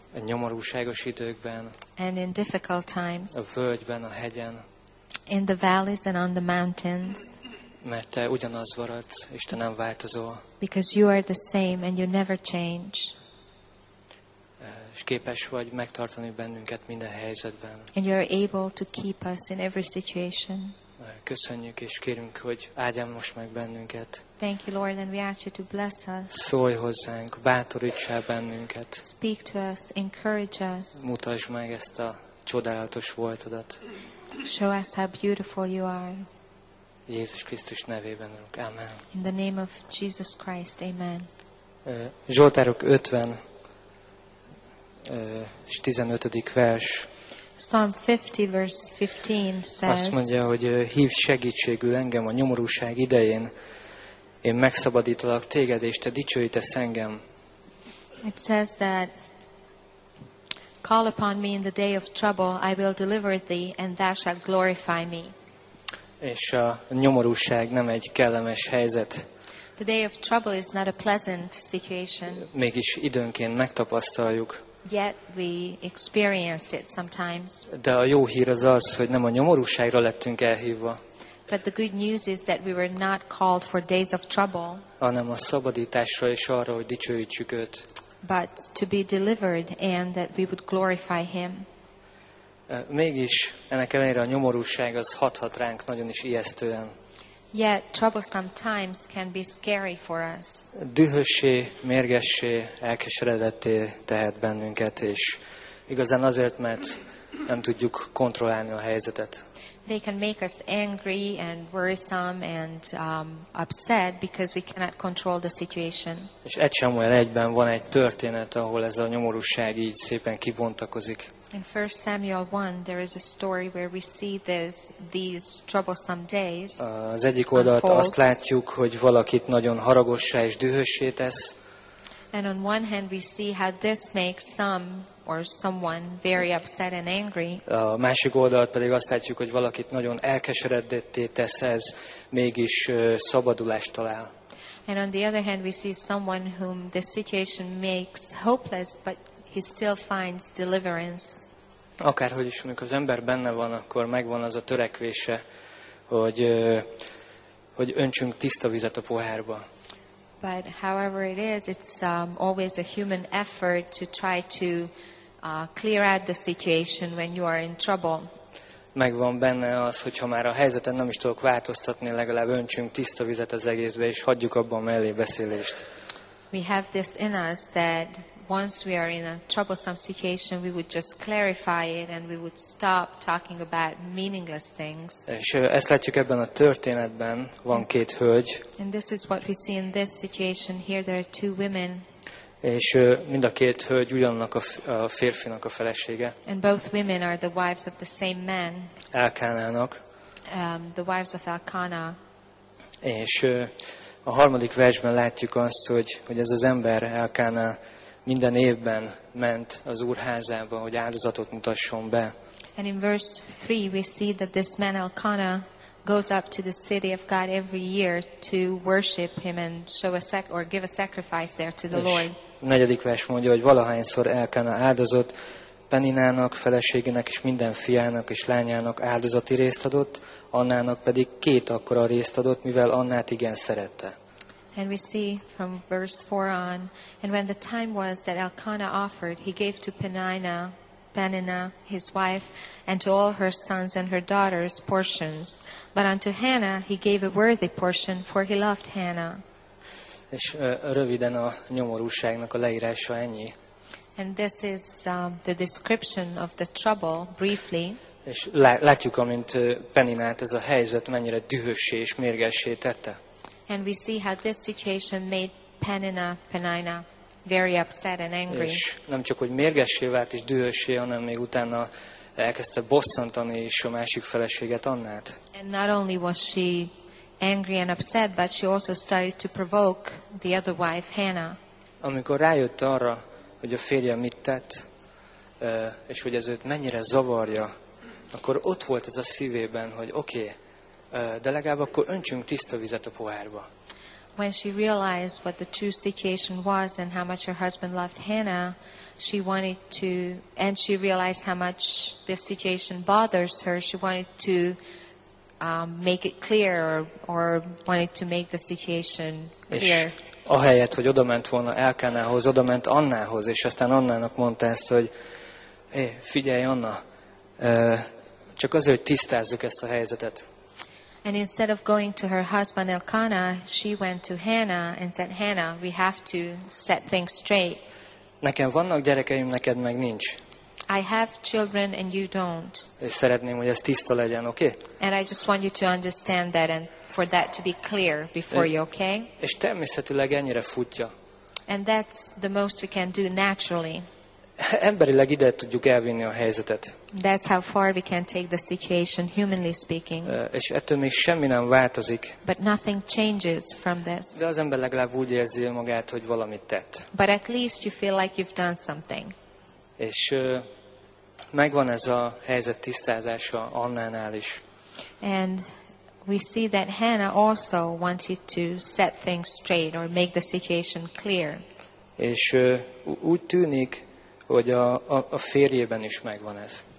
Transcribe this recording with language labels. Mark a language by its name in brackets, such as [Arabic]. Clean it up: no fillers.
[Hungarian] a nyomorúságos időkben, [English] and in difficult times, [Hungarian] a völgyben, a hegyen, [English] in the valleys and on the mountains. [Hungarian] Mert te ugyanaz vagy, és te nem változol. [English] Because you are the same and you never change. [Hungarian] És képes vagy megtartani bennünket minden helyzetben. [English] And you are able to keep us in every situation. [Hungarian] Köszönjük és kérünk, hogy áldjon most meg bennünket. [English] Thank you, Lord, and we ask you to bless us. [Hungarian] Szólj hozzánk, bátoríts el bennünket. [English] Speak to us, encourage us. [Hungarian] Mutasd meg ezt a csodálatos voltodat. [English] Show us how beautiful you are. [Hungarian] Jézus Krisztus nevében, Urunk. Amen. [English] In the name of Jesus Christ, amen. [Hungarian] Zsoltárok 50, 15. vers. [English] Psalm 50, verse 15 says, [Hungarian] azt mondja, hogy hívj segítségül engem a nyomorúság idején, én megszabadítalak téged, és te dicsőítesz engem. [English] It says that, call upon me in the day of trouble, I will deliver thee, and thou shalt glorify me. [Hungarian] És a nyomorúság nem egy kellemes helyzet. [English] The day of trouble is not a pleasant situation. [Hungarian] Mégis időnként megtapasztaljuk. [English] Yet we experience it sometimes. [Hungarian] De a jó hír az az, hogy nem a nyomorúságra lettünk elhívva. [English] But the good news is that we were not called for days of trouble. [Hungarian] Hanem a szabadításra és arra, hogy dicsőítsük őt. [English] But to be delivered and that we would glorify him. [Hungarian] Mégis ennek ellenére a nyomorúság az hathat ránk nagyon is ijesztően. [English] Yet trouble sometimes can be scary for us. [Hungarian] Dühössé, mérgessé, elkeseredetté tehet bennünket, és igazán azért, mert nem tudjuk kontrollálni a helyzetet. [English] They can make us angry and worrisome and upset because we cannot control the situation. [Hungarian] És egy Samuel 1-ben van egy történet, ahol ez a nyomorúság így szépen kibontakozik. [English] In 1 Samuel 1, there is a story where we see these troublesome days. [Hungarian] Az egyik oldalt azt látjuk, hogy valakit nagyon haragossá és dühössé tesz. [English] And on one hand we see how this makes some or someone very upset and angry. [Hungarian] A másik oldalt pedig azt látjuk, hogy valakit nagyon elkeseredetté tesz ez, mégis szabadulást talál. [English] And on the other hand we see someone whom the situation makes hopeless, but he still finds deliverance. [Hungarian] Akárhogy is, amikor az ember benne van, akkor megvan az a törekvése, hogy öntsünk tiszta vizet a pohárba. [English] But however it is, it's always a human effort to try to clear out the situation when you are in trouble. [Hungarian] Megvan benne az, hogy ha már a helyzeten nem is tudok változtatni, legalább öntsünk tiszta vizet az egészbe és hagyjuk abban a mellébeszélést. [English] We have this in us that once we are in a troublesome situation, we would just clarify it and we would stop talking about meaningless things. [Hungarian] És ezt látjuk ebben a történetben, van két hölgy. [English] And this is what we see in this situation. Here there are two women. [Hungarian] És mind a két hölgy ugyanannak a férfinak a felesége. [English] And both women are the wives of the same man. [Hungarian] Elkánának. [English] The wives of Elkanah. [Hungarian] És a harmadik versben látjuk azt, hogy ez az ember, Elkánah, minden évben ment az úrházába, hogy áldozatot mutasson be. [English] And in verse 3 we see that this man Elkanah goes up to the city of God every year to worship him and show a or give a sacrifice there to the Lord. [Hungarian] A negyedik vers mondja, hogy valahányszor Elkanah áldozott, Peninának, feleségének és minden fiának és lányának áldozati részt adott, Annának pedig két akkora részt adott, mivel Annát igen szerette. [English] And we see from verse 4 on, and when the time was that Elkanah offered, he gave to Penina, his wife, and to all her sons and her daughters portions. But unto Hannah he gave a worthy portion, for he loved Hannah. [Hungarian] És röviden a nyomorúságnak a leírása ennyi. [English] And this is the description of the trouble, briefly. [Hungarian] És látjuk, amint Peninát ez a helyzet mennyire dühössé és mérgessé tette. [English] And we see how this situation made Penina very upset and angry. [Hungarian] És nem csak hogy mérgessé vált és dühössé, hanem még utána elkezdte bosszantani is a másik feleséget, Annát. [English] And not only was she angry and upset, but she also started to provoke the other wife, Hannah. [Hungarian] Amikor rájött arra, hogy a férje mit tett, és hogy ez őt mennyire zavarja, akkor ott volt ez a szívében, hogy oké, de legalább akkor öntsünk tiszta vizet a pohárba. [English] When she realized what the true situation was and how much her husband loved Hannah, she wanted to, and she realized how much this situation bothers her, she wanted to make it clear or wanted to make the situation clear. [Hungarian] Ahelyett, hogy odament volna Elkánához, odament Annához, és aztán Annának mondta ezt, hogy figyelj, Anna, csak azért, hogy tisztázzuk ezt a helyzetet. [English] And instead of going to her husband Elkanah, she went to Hannah and said, Hannah, we have to set things straight. [Hungarian] Nekem vannak gyerekeim, neked meg nincs. [English] I have children and you don't. [Hungarian] És szeretném, hogy ez tiszta legyen, oké? [English] And I just want you to understand that and for that to be clear before you, okay? [Hungarian] És természetileg ennyire futja. [English] And that's the most we can do naturally. [Hungarian] Emberileg ide tudjuk elvinni a helyzetet. [English] That's how far we can take the situation, humanly speaking. [Hungarian] És ettől még semmi nem változik. [English] But nothing changes from this. [Hungarian] De az ember legalább úgy érzi magát, hogy valamit tett. [English] But at least you feel like you've done something. [Hungarian] És megvan ez a helyzet tisztázása Annánál is. [English] And we see that Hannah also wanted to set things straight or make the situation clear. [Hungarian] És úgy tűnik, hogy a férjében is megvan ez.